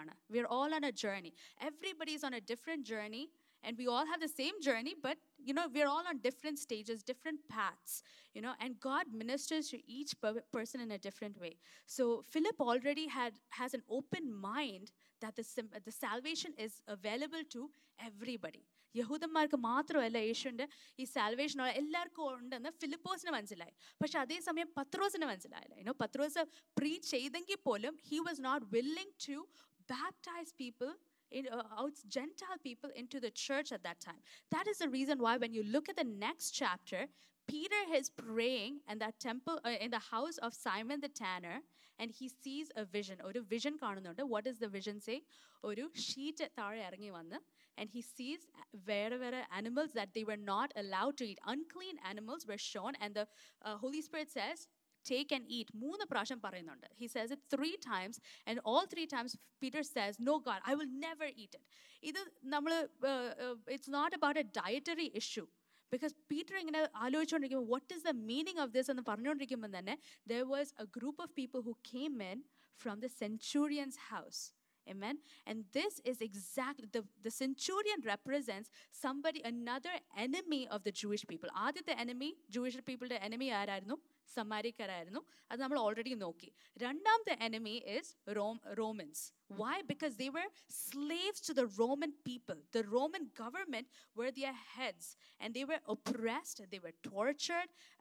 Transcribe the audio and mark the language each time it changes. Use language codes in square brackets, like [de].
[en] We are all on a journey. Everybody is on a different journey. And we all have the same journey, but, you know, we're all on different stages, different paths, you know. And God ministers to each person in a different way. So Philip already has an open mind that the salvation is available to everybody. [ml] യഹൂദന്മാർക്ക് മാത്രമല്ല യേശുവിൻ്റെ ഈ salvation എല്ലാവർക്കും ഉണ്ടെന്ന് ഫിലിപ്പോസിന് മനസ്സിലായി. പക്ഷെ അതേസമയം പത്രോസിന് മനസ്സിലായില്ല. യുനോ പത്രോസ് പ്രീച്ച് ചെയ്തെങ്കിൽ പോലും [en] He was not willing to baptise people Gentile people into the church at that time. That is the reason why when you look at the next chapter, Peter is praying in that temple, in the house of Simon the Tanner, and he sees a vision. [ml] Oru vision kaanunnundu. [en] What does the vision say? [ml] Oru sheet thaazhe irangi vannu, [en] and he sees [ml] vera vera [en] animals that they were not allowed to eat. Unclean animals were shown, and the Holy Spirit says, take and eat. [ml] Moonu prasham parayunnundu. [en] He says it three times, and all three times Peter says, no God, I will never eat it. [ml] Idu nammal [en] it's not about a dietary issue, because [ml] Peter ingane aalochichondirikkum, [en] what is the meaning of this [ml] ennu parayunnondirikkumbo thanne [en] there was a group of people who came in from the centurion's house, Amen. And this is exactly, the centurion represents somebody, another enemy of the Jewish people. [ml] ആദ്യത്തെ enemy, [en] Jewish people the enemy [ml] ആരായിരുന്നു? സമാരിക്കാരായിരുന്നു. അത് നമ്മൾ already നോക്കി. രണ്ടാമത്തെ [en] Enemy is Romans. Why? Because they were slaves to the Roman people. The Roman government were their heads and they were oppressed, they were tortured.